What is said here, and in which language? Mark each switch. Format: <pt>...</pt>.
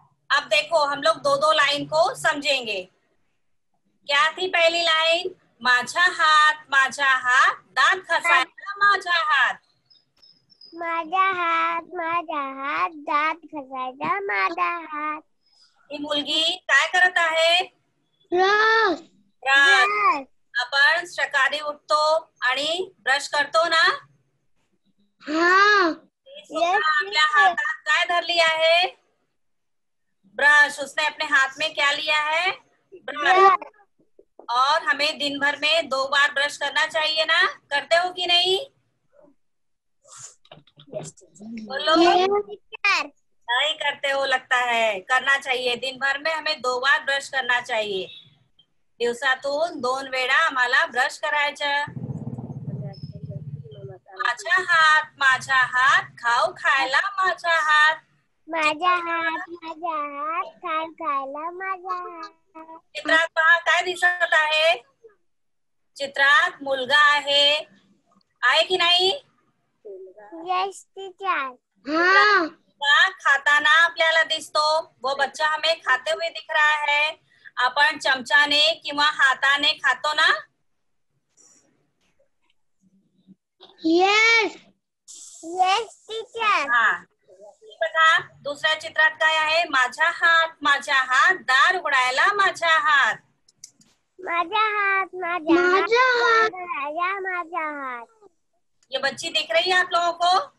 <hi>अब देखो, हम लोग दो दो लाइन को समझेंगे. क्या थी पहली लाइन?</hi> <mr>माझा हात दात घासायला माझा हात. माझा हात माझा हात दात घासायचा माझा हात. ही मुलगी काय करत आहे?</mr> <en>Brush. Brush.</en> <mr>आपण सकाळी उठतो आणि ब्रश करतो ना. हा. आपल्या हातात काय धरली आहे?</mr> <en>Brush.</en> <hi>उसने अपने हाथ में क्या लिया है? ब्रश. और हमें दिन भर में दो बार ब्रश करना चाहिए ना, करते हो कि नहीं? बोलो. नहीं करते हो लगता है. करना चाहिए, दिन भर में हमें दो बार ब्रश करना चाहिए.</hi> <mr>दिवसातून दोन वेळा आम्हाला ब्रश करायचं. माझा हात माझा हात खाऊ खायला माझा हात. माझा हात माझा हात खाऊ खायला माझा हात. चित्रात पहा काय दिसत आहे. चित्रात मुलगा आहे. आहे कि नाही?</mr> <en>Yes teacher.</en> <mr>हा. खाताना आपल्याला दिसतो.</mr> <hi>वो बच्चा हमें खाते हुए दिख रहा है.</hi> <mr>आपण चमचाने किंवा हाताने खातो ना?</mr> <en>Yes yes teacher.</en> <mr>बघा दुसऱ्या चित्रात काय आहे. माझा हात माझा हात दार उघडायला माझा हात. माझा हात माझा हात उघडायला माझा हात.</mr> <hi>ये बच्ची दिख रही है आप लोगों को?</hi>